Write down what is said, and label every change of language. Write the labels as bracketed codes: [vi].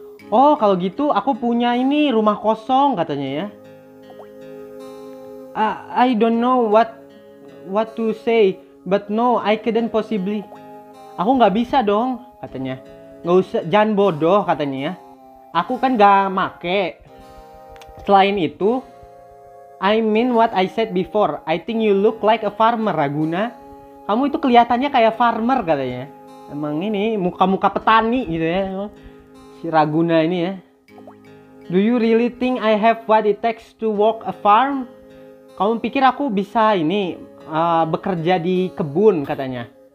[id] Oh, kalau gitu aku punya ini rumah kosong katanya ya. [en] I don't know what to say. But no, I couldn't possibly. [id] Aku gak bisa dong, katanya. Gak usah, jangan bodoh, katanya ya. Aku kan gak make. Selain itu, [en] I mean what I said before. I think you look like a farmer, Raguna. [id] Kamu itu kelihatannya kayak farmer, katanya. Emang ini, muka-muka petani gitu ya. Si Raguna ini ya. [en] Do you really think I have what it takes to walk a farm? [id] Kamu pikir aku bisa ini... bekerja di kebun katanya.